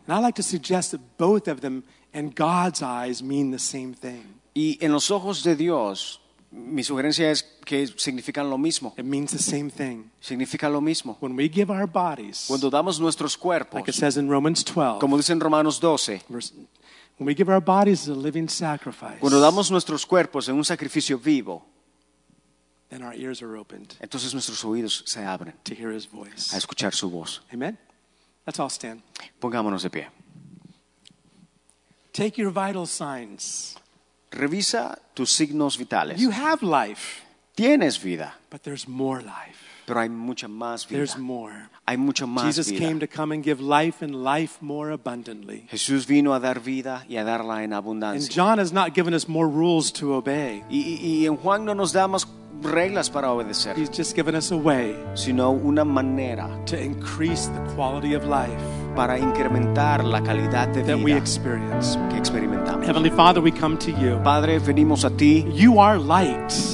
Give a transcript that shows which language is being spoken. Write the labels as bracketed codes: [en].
[en] And I like to suggest that both of them, in God's eyes, mean the same thing. [es] Y en los ojos de Dios, Mi sugerencia es que significan lo mismo. [en] It means the same thing. [es] Significa lo mismo. [en] When we give our bodies, [es] cuando damos nuestros cuerpos, [en] like it says in Romans 12, [es] como dice en Romanos 12, [en] when we give our bodies as a living sacrifice, [es] cuando damos nuestros cuerpos en un sacrificio vivo, [en] then our ears are opened. [es] Entonces nuestros oídos se abren [en] to hear his voice. [es] A escuchar su voz. [en] Amen. Let's all stand. [es] Pongámonos de pie. [en] Take your vital signs. [es] Revisa tus signos vitales. [en] You have life. [es] Tienes vida. [en] But there's more life. [es] Pero hay mucha más vida. [en] There's more. [es] Hay mucha más [en] Jesus [es] vida. [en] Came to come and give life and life more abundantly. [es] Jesús vino a dar vida y a darla en abundancia. [en] And John has not given us more rules to obey. [es] Y en Juan no nos da más reglas para obedecer. [en] He's just given us a way, [es] sino una manera, [en] to increase the quality of life, [es] para incrementar la calidad de [en] that we experience. [es] Que experimentamos. [en] Heavenly Father, we come to you. [es] Padre, venimos a ti. [en] You are light.